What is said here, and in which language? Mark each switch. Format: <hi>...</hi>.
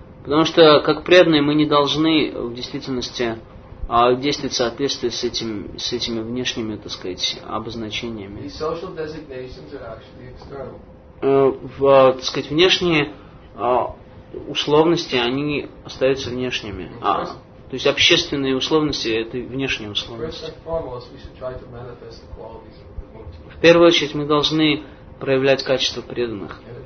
<ru>Потому что как преданные мы не должны в действительности действовать в соответствии с этими внешними, так сказать, обозначениями.</ru> <en>These social designations are actually external.</en> <ru>Так сказать, внешние условности, они остаются внешними. То есть общественные условности — это внешние условности. В первую очередь мы должны проявлять качество преданных.</ru>